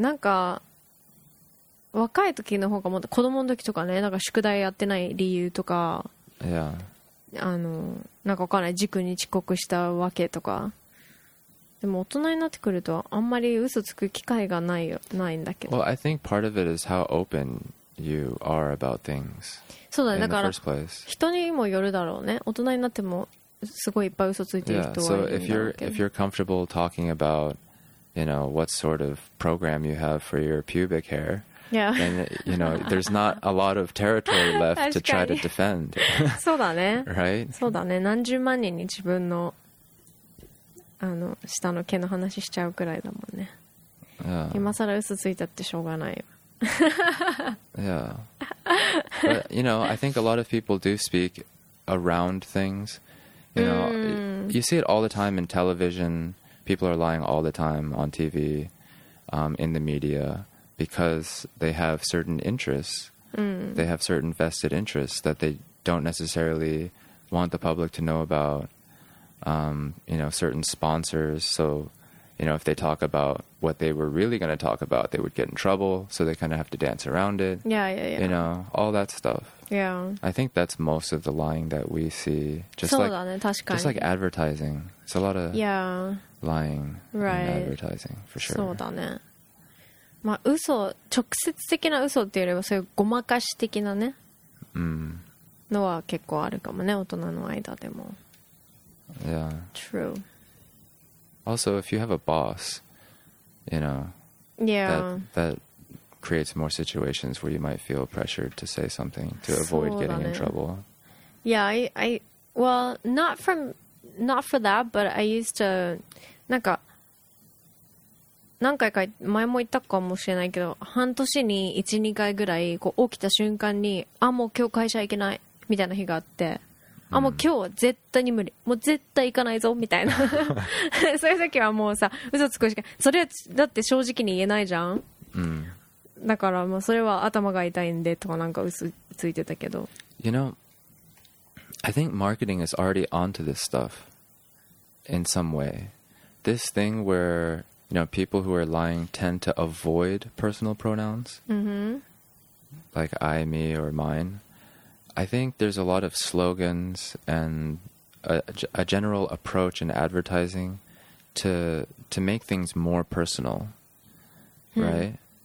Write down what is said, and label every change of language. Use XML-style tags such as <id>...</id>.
<ja>なんか若い時の方がもっと子供の時とかね、なんか宿題やってない理由とか。</ja> <en>Yeah.</en> <ja>あのなんかわかんない塾に遅刻したわけとか。でも大人になってくるとあんまり嘘つく機会がないよ、ないんだけど。</ja> <en>Well, I think part of it is how open you are about things.</en> <ja>そうだね、だから人にもよるだろうね。大人になってもすごいいっぱい嘘ついてる人はいるんだろうけど。</ja> <en>Yeah, so if you're comfortable talking about, you know, what sort of program you have for your pubic hair, yeah, and you know, there's not a lot of territory left to try to defend.</en> <ja>そうだね。</ja> <en>Right?</en> <ja>そうだね。何十万人に自分の、あの、下の毛の話しちゃうくらいだもんね。</ja> <en>Yeah.</en> <ja>今さら嘘ついたってしょうがない。</ja> <en>Yeah. But, you know, I think a lot of people do speak around things. You know, you see it all the time in television. People are lying all the time on TV, in the media. Because they have certain interests, they have certain vested interests that they don't necessarily want the public to know about. You know, certain sponsors. So, you know, if they talk about what they were really going to talk about, they would get in trouble. So they kind of have to dance around it. Yeah, yeah, yeah. You know, all that stuff. Yeah. I think that's most of the lying that we see. Just</en> <ja>そうだね、確かに。</ja> <en>Just like advertising. It's a lot of lying in advertising, for sure.</en> <ja>そうだね。まあ、嘘、直接的な嘘っていうよりはそういうごまかし的なね、のは結構あるかもね、大人の間でも。</ja> <en>Yeah. True. Also, if you have a boss, you know, that creates more situations where you might feel pressured to say something to avoid getting in trouble. Yeah, I well, not for that, but I used to,</en> <ja>なんか何回か前も言ったかもしれないけど、半年に 1,2 回ぐらいこう起きた瞬間に、あ、もう今日会社行けないみたいな日があって、あ、もう今日は絶対に無理、もう絶対行かないぞみたいな。そういう時はもうさ、嘘つくしかない。それはだって正直に言えないじゃん。だからもうそれは頭が痛いんでとかなんか嘘ついてたけど。</ja> <en>You know, I think marketing is already onto this stuff in some way. This thing where you know, people who are lying tend to avoid personal pronouns, like I, me, or mine. I think there's a lot of slogans and a general approach in advertising to make things more personal, right?</en>